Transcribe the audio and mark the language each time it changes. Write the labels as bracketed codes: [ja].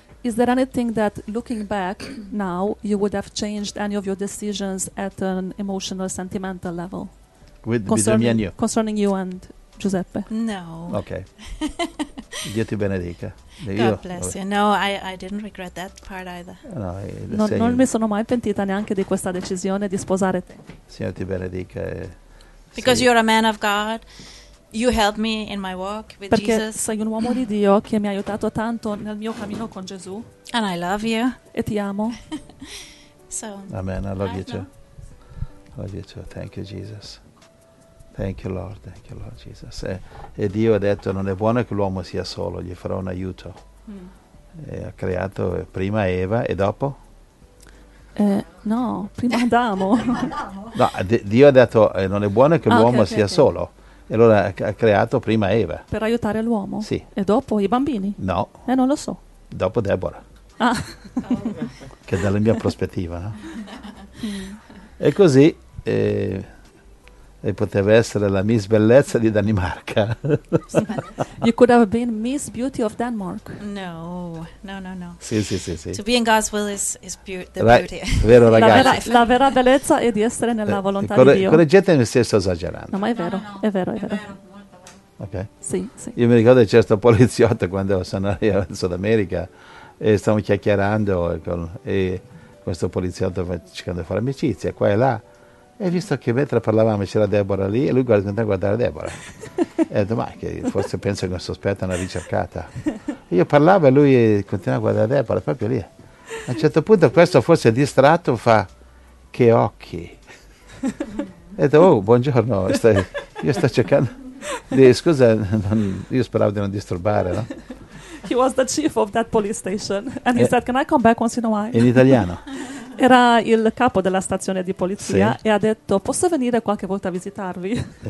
[en] Is there anything that, looking back now, you would have changed any of your decisions at an emotional, sentimental level? With concerning, me and you. Concerning you and Giuseppe? No. [it] Okay. Dio ti benedica. [en] God [it] io, [en] bless [it] vabbè. [en] You. No, I didn't regret that part either. [it] No, non mi sono mai pentita neanche di questa decisione di sposare te. Signore ti benedica. [en] Because [it] sei. [en] You're a man of God. You helped me in my walk with [it] perché [en] Jesus. [it] Perché sei un uomo di Dio che mi ha aiutato tanto nel mio cammino con Gesù. [en] And I love you. [it] E ti amo. [en] So. Amen. I love you too. I love you too. Thank you, Jesus. Thank you, Lord. Thank you, Lord Jesus. [it] E Dio ha detto non è buono che l'uomo sia solo. Gli farò un aiuto. E ha creato prima Eva e dopo. No, prima Adamo. No, Dio ha detto non è buono che l'uomo sia solo. E allora ha creato prima Eva. Per aiutare l'uomo? Sì. E dopo i bambini? No. E non lo so. Dopo Deborah. Ah. Che è dalla mia prospettiva, no? E così, e poteva essere la Miss Bellezza di Danimarca. [en] You could have been Miss Beauty of Denmark. No, no, no, no. [it] Sì, sì, sì, sì. [en] To be in God's will is the beauty. [it] Vero, ragazzi. La vera bellezza è di essere nella volontà di Dio. Correggetemi se sto esagerando. No, ma è vero, no, no, no. È vero. Ok. Sì, sì. Io mi ricordo che c'era sto poliziotto quando sono arrivato in Sud America e stavamo chiacchierando e questo poliziotto cercando di fare amicizia qua e là. E visto che mentre parlavamo c'era Deborah lì, e lui guarda a guardare Deborah. E detto, ma che forse penso che sospetta una ricercata. E io parlavo e lui continuava a guardare Deborah, proprio lì. A un certo punto questo forse distratto fa, che occhi. E detto, oh, buongiorno, io sto cercando. Scusa, io speravo di non disturbare, no? [en] He was the chief of that police station. And he said, can I come back once in a while? [it] In italiano. Era il capo della stazione di polizia, sì. E ha detto, posso venire qualche volta a visitarvi?